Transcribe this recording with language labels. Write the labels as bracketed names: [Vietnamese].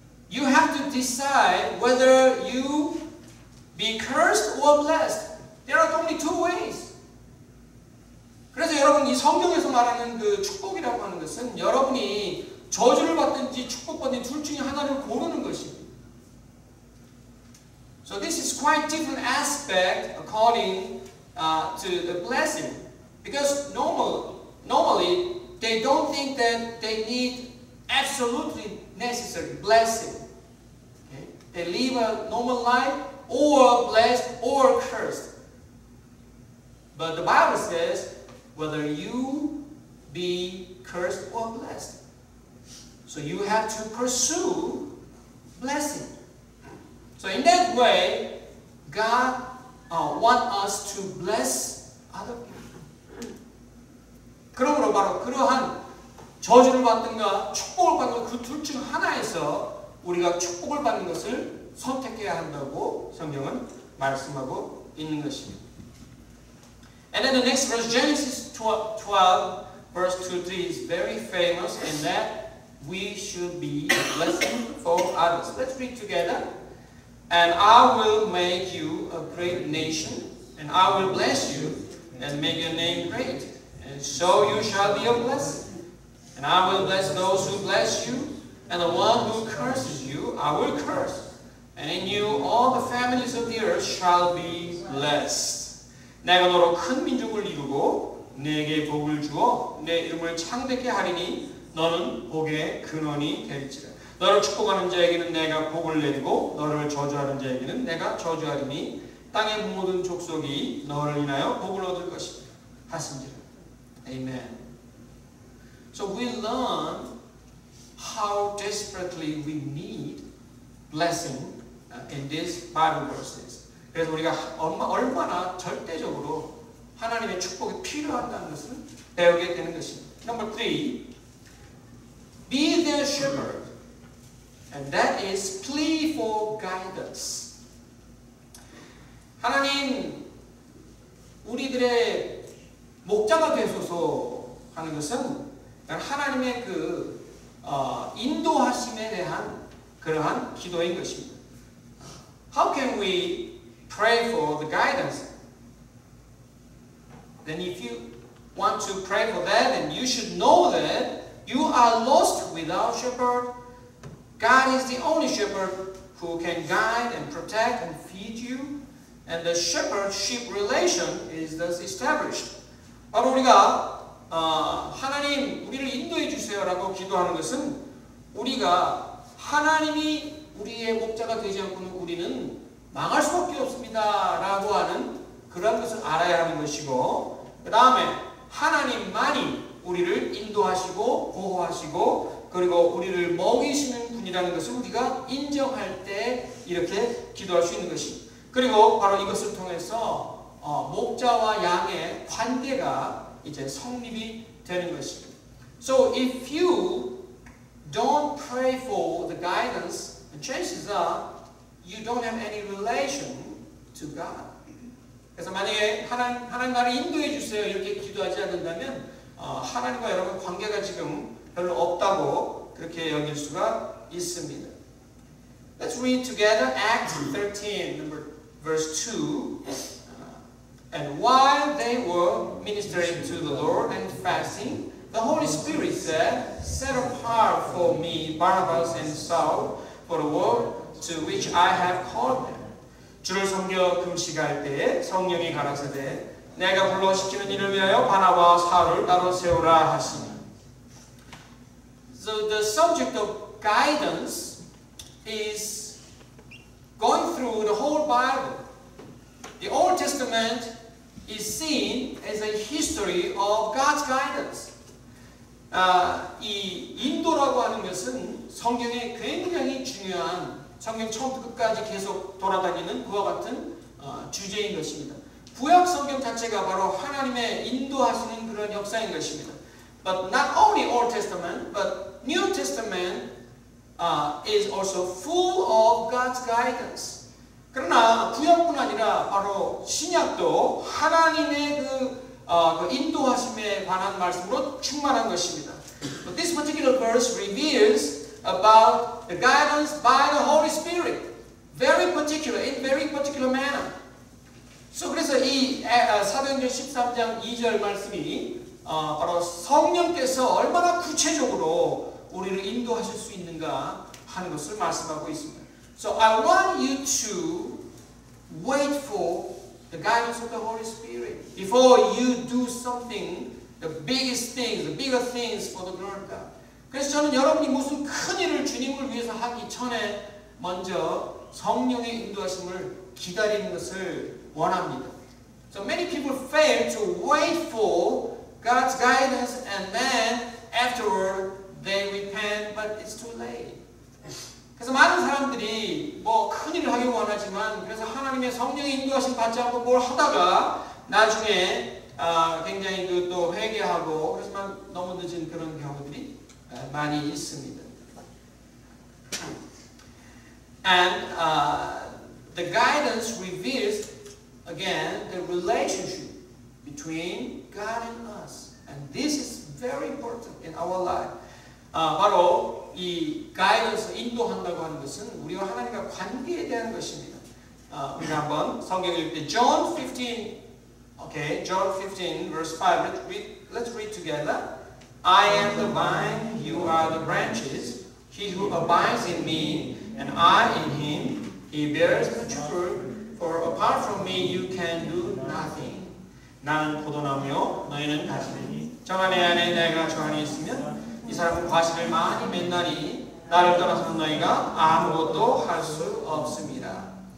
[English] You have to decide whether you be cursed or blessed. There are only two ways. [Korean] 그래서 여러분, 이 성경에서 말하는 그 축복이라고 하는 것은 여러분이 저주를 받든지 축복받든지 둘 중에 하나를 고르는 것입니다. [English] So this is quite different aspect according to the blessing. Because normally they don't think that they need absolutely necessary blessing. Okay? They live a normal life, or blessed or cursed. But the Bible says whether you be cursed or blessed. So you have to pursue blessing. So in that way, God wants us to bless other people. [Korean] 그러므로 바로 그러한 저주를 받든가 축복을 받든가 그 둘 중 하나에서 우리가 축복을 받는 것을 선택해야 한다고 성경은 말씀하고 있는 것입니다. [English] And then the next verse, Genesis 12, verse 2, 3 is very famous in that we should be a blessing for others. Let's read together. And I will make you a great nation, and I will bless you, and make your name great. And so you shall be a blessing. And I will bless those who bless you, and the one who curses you, I will curse. And in you all the families of the earth shall be blessed. [Korean] 내가 너로 큰 민족을 이루고 네게 복을 주어 네 이름을 창대케 하리니 너는 복의 근원이 될지라. 너를 축복하는 자에게는 내가 복을 내리고 너를 저주하는 자에게는 내가 저주하리니 땅의 모든 족속이 너를 인하여 복을 얻을 것이다. 하신지라. Amen. [English] So we learn how desperately we need blessing in these Bible verses. [Korean] 그래서 우리가 얼마나 절대적으로 하나님의 축복이 필요하다는 것을 배우게 되는 것입니다. [English] Number three, be their shepherd, and that is plea for guidance. [Korean] 하나님, 우리들의 목자가 되소서 하는 것은 하나님의 그 인도하심에 대한 그러한 기도인 것입니다. [English] How can we pray for the guidance? Then if you want to pray for that, then you should know that you are lost without shepherd. God is the only shepherd who can guide and protect and feed you. And the shepherd-sheep relation is thus established. [Korean] 바로 우리가 하나님 우리를 인도해 주세요라고 기도하는 것은 우리가 하나님이 우리의 목자가 되지 않고는 우리는 망할 수밖에 없습니다. 라고 하는 그런 것을 알아야 하는 것이고 그 다음에 하나님만이 우리를 인도하시고 보호하시고 그리고 우리를 먹이시는 분이라는 것을 우리가 인정할 때 이렇게 기도할 수 있는 것이 그리고 바로 이것을 통해서 목자와 양의 관계가 이제 성립이 되는 것입니다. [English] So if you don't pray for the guidance, the chances are you don't have any relation to God. [Korean] 그래서 만약에 하나님 나를 인도해 주세요 이렇게 기도하지 않는다면 하나님과 여러분 관계가 지금 별로 없다고 그렇게 여길 수가 있습니다. [English] Let's read together Acts 13, number, verse 2. And while they were ministering to the Lord and fasting, the Holy Spirit said, Set apart for me Barnabas and Saul for the work to which I have called them. [Korean] 주를 섬겨 금식할 때에 성령이 가라사대 내가 불러 시키는 일을 위하여 바나바와 사울을 따로 세우라 하시니. [English] So the subject of guidance is going through the whole Bible. The Old Testament is seen as a history of God's guidance. [Korean] 이 인도라고 하는 것은 성경에 굉장히 중요한 성경 처음부터 끝까지 계속 돌아다니는 그와 같은 주제인 것입니다. 구약 성경 자체가 바로 하나님의 인도하시는 그런 역사인 것입니다. [English] But not only Old Testament, but New Testament is also full of God's guidance. [Korean] 그러나 구약뿐 아니라 바로 신약도 하나님의 그 그 인도하심에 관한 말씀으로 충만한 것입니다. [English] But this particular verse reveals about the guidance by the Holy Spirit, very particular, in very particular manner. [Korean] So 그래서 이 사도행전 13장 2절 말씀이 바로 성령께서 얼마나 구체적으로 우리를 인도하실 수 있는가 하는 것을 말씀하고 있습니다. [English] So I want you to wait for the guidance of the Holy Spirit before you do something, the biggest things, the bigger things for the glory of God. [Korean] 그래서 저는 여러분이 무슨 큰 일을 주님을 위해서 하기 전에 먼저 성령의 인도하심을 기다리는 것을 원합니다. [English] So many people fail to wait for God's guidance and then afterward they repent, but it's too late. [Korean] 그래서 많은 사람들이 뭐 큰 일을 하기 원하지만 그래서 하나님의 성령의 인도하심 받지 않고 뭘 하다가 나중에 굉장히 그 또 회개하고 그래서만 너무 늦은 그런 경우들이 많이 있습니다. [English] And the guidance reveals again the relationship between God and us, and this is very important in our life. [Korean] 바로 이 guidance 인도한다고 하는 것은 우리와 하나님과 관계에 대한 것입니다. 우리 한번 성경 읽을 때 John 15, okay, John 15 verse 5. [English] Let's read together. I am the vine, you are the branches. He who abides in me and I in him, he bears much fruit. For apart from me, you can do nothing. [Korean] 나는 포도나무요, 너희는 가지니. 정한의 안에 내가 정한이 있으면 이 사람은 과실을 많이 맺나니 나를 떠나서 너희가 아무것도 할 수 없습니다.